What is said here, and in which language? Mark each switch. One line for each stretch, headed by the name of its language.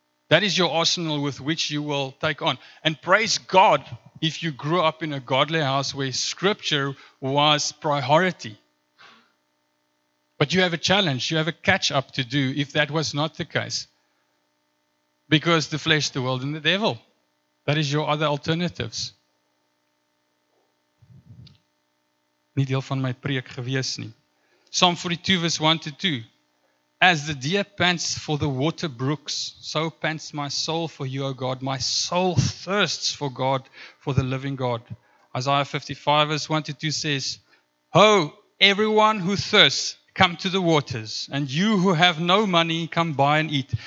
English: That is your arsenal with which you will take on. And praise God if you grew up in a godly house where Scripture was priority. But you have a challenge, you have a catch-up to do if that was not the case. Because the flesh, the world, and the devil, that is your other alternatives.
Afrikaans: Nie deel van my preek gewees nie. Psalm 42 verse 1-2.
English: As the deer pants for the water brooks, so pants my soul for you, O God. My soul thirsts for God, for the living God. Isaiah 55 verse 1 to 2 says, Ho, everyone who thirsts, come to the waters, and you who have no money, come buy and eat.